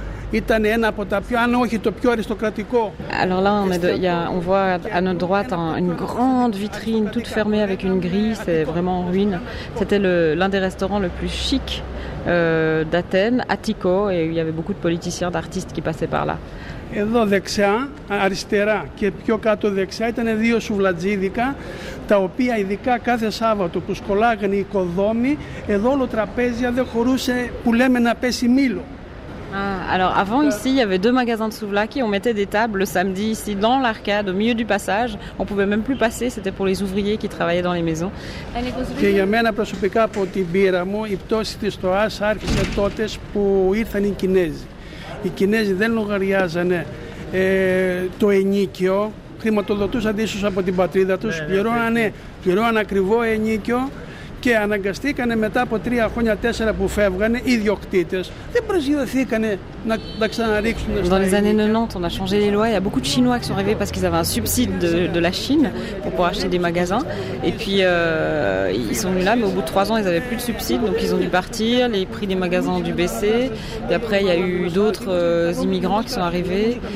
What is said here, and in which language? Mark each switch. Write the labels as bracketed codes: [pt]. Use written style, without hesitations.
[el] Ήταν ένα από τα πιο, αν όχι το πιο αριστοκρατικό. [fr] Alors là, on voit à notre droite une grande vitrine toute fermée avec une grille, c'est vraiment en ruine. C'était l'un des restaurants le plus chic d'Athènes, Attico, et il y avait beaucoup de politiciens, d'artistes qui passaient par là. [el] Εδώ δεξιά, αριστερά και πιο κάτω δεξιά ήταν δύο σουβλατζίδικα, τα οποία ειδικά κάθε Σάββατο που σκολάγανε οι οικοδόμοι, εδώ όλο τραπέζια δεν χωρούσε που λέμε να πέσει μήλο. [fr] Ah, alors avant ici, il y avait deux magasins de souvlaki, on mettait des tables le samedi ici dans l'arcade, au milieu du passage. On ne pouvait même plus passer, c'était pour les ouvriers qui travaillaient dans les maisons. [el] Και για μένα προσωπικά από την πείρα μου, η πτώση της ΤΟΑΣ άρχισε τότε που ήρθαν οι Κινέζοι. Οι Κινέζοι δεν λογαριάζανε το ενίκιο, χρηματοδοτούσαν ίσως από την πατρίδα τους, πληρώνανε ακριβό ενίκιο. Και αναγκαστήκανε μετά από τρία χρόνια, τέσσερα που φεύγανε, οι ιδιοκτήτες. Δεν προσγειωθήκανε να τα ξαναρίξουν. [fr] Dans les années 90, on a changé les lois. Il y a beaucoup de Chinois qui sont arrivés parce qu'ils avaient un subside de la Chine pour pouvoir acheter des magasins. Et puis ils sont venus là, mais au bout de trois ans, ils n'avaient plus de subside. Donc ils ont dû partir, les prix des magasins ont dû baisser. Et après, il y a eu d'autres immigrants qui sont arrivés.